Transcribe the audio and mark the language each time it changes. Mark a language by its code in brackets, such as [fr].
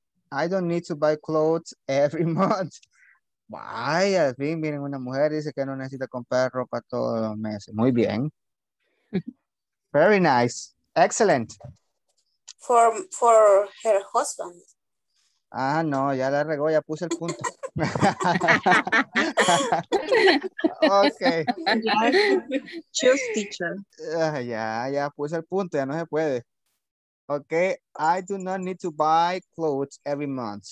[en] I don't need to buy clothes every month. [es] Vaya, al fin, miren, una mujer dice que no necesita comprar ropa todos los meses. Muy bien. [en] Very nice. Excellent. For her husband. [es] Ah, no, ya la regó, ya puse el punto. [en] Ok. Choose teacher. [es] Ya puse el punto, ya no se puede. [en] Ok, I do not need to buy clothes every month.